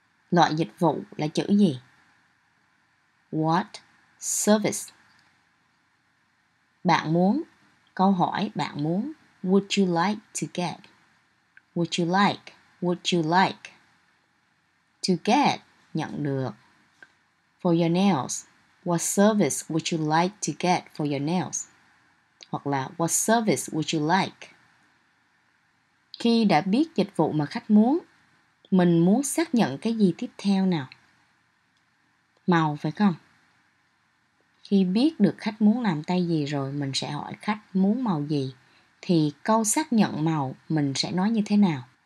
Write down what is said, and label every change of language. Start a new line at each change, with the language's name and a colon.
Vietnamese: Loại dịch vụ là chữ gì?
English: What service?
Vietnamese: Bạn muốn, câu hỏi bạn muốn,
English: would you like to get? Would you like to get,
Vietnamese: nhận được.
English: For your nails, what service would you like to get for your nails?
Vietnamese: Hoặc là
English: what service would you like?
Vietnamese: Khi đã biết dịch vụ mà khách muốn, mình muốn xác nhận cái gì tiếp theo nào? Màu phải không? Khi biết được khách muốn làm tay gì rồi, mình sẽ hỏi khách muốn màu gì. Thì câu xác nhận màu mình sẽ nói như thế nào?